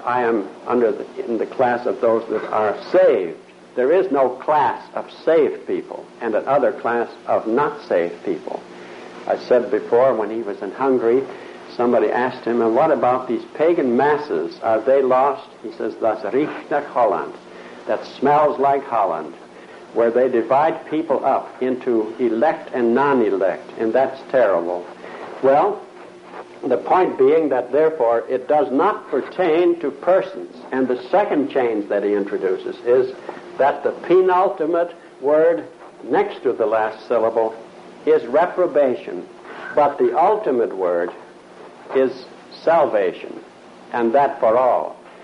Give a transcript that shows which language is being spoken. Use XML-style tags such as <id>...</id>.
<en>I am in the class of those that are saved. There is no class of saved people and another class of not saved people. I said before, when he was in Hungary, somebody asked him, and what about these pagan masses? Are they lost? He says,</en> <de>das riecht nach Holland.</de> <en>That smells like Holland, where they divide people up into elect and non-elect, and that's terrible. Well, the point being that, therefore, it does not pertain to persons. And the second change that he introduces is that the penultimate word next to the last syllable is reprobation, but the ultimate word is salvation, and that for all.</en>